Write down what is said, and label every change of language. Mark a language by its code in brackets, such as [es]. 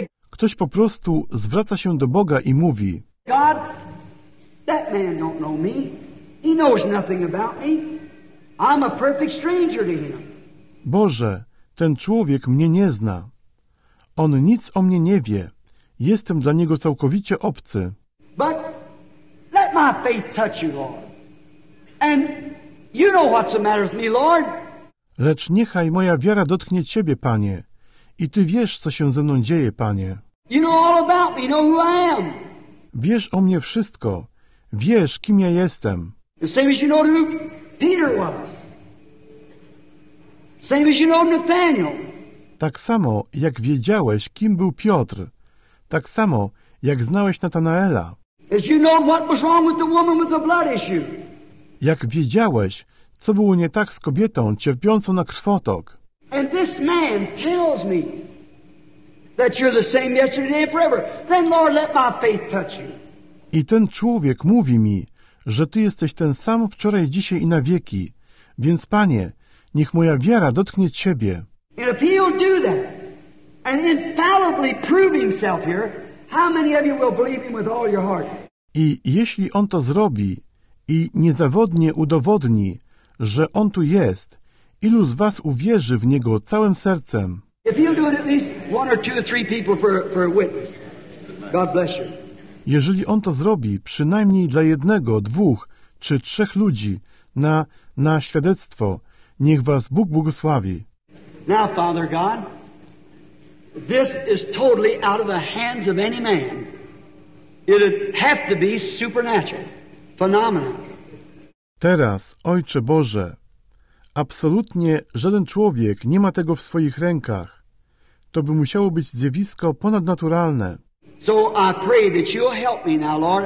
[pl] Ktoś po prostu zwraca się do Boga i mówi: [en] God, that man don't know me. He knows nothing about me. I'm a perfect stranger to him. [pl] Boże, ten człowiek mnie nie zna. On nic o mnie nie wie. Jestem dla niego całkowicie obcy. [en] But let my faith touch you, Lord. And you know what's the matter with me, Lord. [pl] Lecz niechaj moja wiara dotknie Ciebie, Panie. I Ty wiesz, co się ze mną dzieje, Panie. [en] You know all about me. You know who I am. [pl] Wiesz o mnie wszystko. Wiesz, kim ja jestem. [en] The same as you know who Peter was. Same as you know Nathaniel. [pl] Tak samo, jak wiedziałeś, kim był Piotr. Tak samo, jak znałeś Natanaela. [en] As you know what was wrong with the woman with the blood issue. [pl] Jak wiedziałeś, co było nie tak z kobietą cierpiącą na krwotok. [en] And this man tells me that you're the same yesterday and forever. Then, Lord, let my faith touch you. [pl] I ten człowiek mówi mi, że Ty jesteś ten sam wczoraj, dzisiaj i na wieki. Więc, Panie, niech moja wiara dotknie Ciebie. [en] And if he'll do that and infallibly prove himself here, how many of you will believe him with all your heart? [pl] I jeśli on to zrobi i niezawodnie udowodni, że on tu jest, ilu z was uwierzy w niego całym sercem? [en] If he'll do it at least one or two or three people for a witness, God bless you. [pl] Jeżeli on to zrobi przynajmniej dla jednego, dwóch czy trzech ludzi na świadectwo, niech was Bóg błogosławi. [en] Now, Father God, this is totally out of the hands of any man. It would have to be supernatural, phenomenal. [pl] Teraz, Ojcze Boże, absolutnie żaden człowiek nie ma tego w swoich rękach. To by musiało być zjawisko ponadnaturalne. [en] So I pray that you'll help me now, Lord.